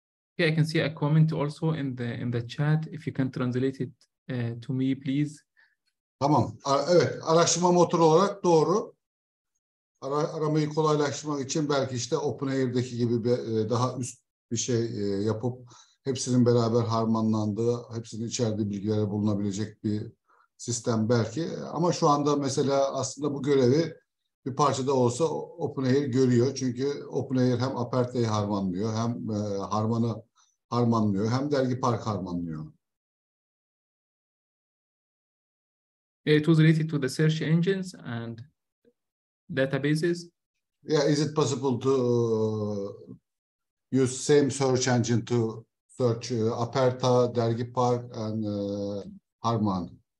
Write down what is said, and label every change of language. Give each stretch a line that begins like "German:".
English: Okay, I can see a comment also in the chat. If you can translate it to me, please.
Turkish: Tamam. Evet, araştırma motoru olarak doğru. Aramayı kolaylaştırmak için belki işte OpenAI'deki gibi daha üst bir şey yapıp hepsinin beraber harmanlandığı, hepsinin içerdiği bilgilere bulunabilecek bir sistem belki. Ama şu anda mesela aslında bu görevi bir parçada olsa OpenAI görüyor. Çünkü OpenAI hem Aperta'yı harmanlıyor, hem Harman'ı harmanlıyor, hem Dergi Park harmanlıyor.
English: It was related to the search engines and databases. Yeah, is it possible to use same search engine to search Aperta, Dergi Park and Harman?